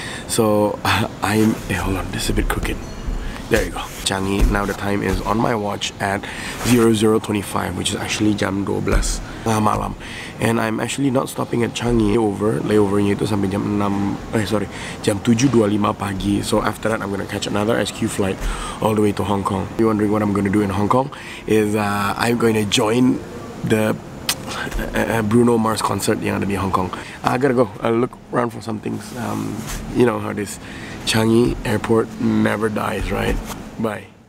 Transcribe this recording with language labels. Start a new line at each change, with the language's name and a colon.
English: So I'm hold on, this is a bit crooked. There you go, Changi. Now the time is on my watch at 00:25, which is actually
Indonesian: jam 12 malam.
English: And I'm actually not stopping at Changi.
Indonesian: Layovernya itu sampai jam 6. Jam 7:25 pagi.
English: So after that, I'm gonna catch another SQ flight all the way to Hong Kong. You're wondering what I'm gonna do in Hong Kong? Is I'm going to join the Bruno Mars concert
Indonesian: yang ada di Hong Kong.
English: I gotta go. I'll look around for some things. You know how this Changi Airport never dies, right? Bye.